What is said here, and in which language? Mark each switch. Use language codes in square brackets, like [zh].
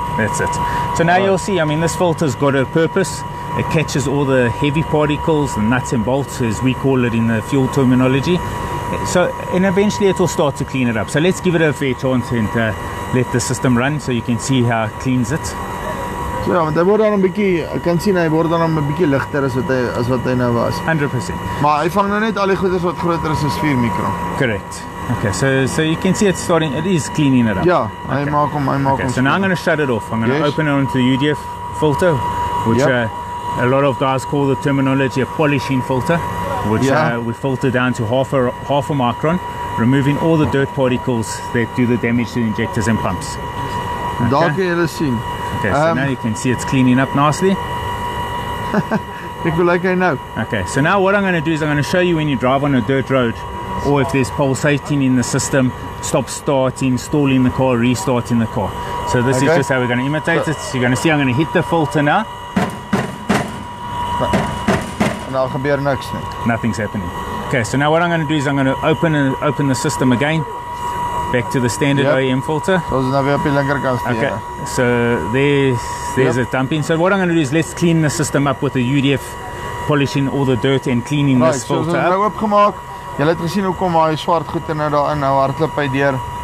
[en] That's it. So now you'll see, I mean, this filter's got a purpose. It catches all the heavy particles, the nuts and bolts, as we call it in the fuel terminology. So, and eventually it will start to clean it up. So let's give it a fair chance and let the system run so you can see how it cleans it. So yeah, [af] want hy word dan 'n bietjie, ek kan sien hy word dan 'n bietjie ligter as wat hy nou was. [en] 100%. [af] Maar hy vang nou net al die goeders wat groter is as 4 micron. [en] Correct. Okay, so you can see it's starting, it is cleaning it up. Yeah, okay. [af] Hy maak hom, hy maak hom. [en] Okay, so now I'm going to shut it off. I'm going to open it onto the UDF filter, which a lot of guys call the terminology a polishing filter, which we filter down to half a micron, removing all the dirt particles that do the damage to the injectors and pumps. Okay, let's see. Okay, so now you can see it's cleaning up nicely. Okay, so now what I'm going to do is I'm going to show you when you drive on a dirt road, or if there's pulsating in the system, stop starting, stalling the car, restarting the car. So this is just how we're going to imitate it. So you're going to see I'm going to hit the filter now. Nothing's happening. Okay, so now what I'm going to do is I'm going to open the system again. Back to the standard OEM filter. Okay, so there's a dumping. So what I'm going to do is let's clean the system up with the UDF, polishing all the dirt and cleaning this filter up. Right, so [af] jy het gesien hoe kom hy swart goed in nou daarin, nou hardloop hy deur.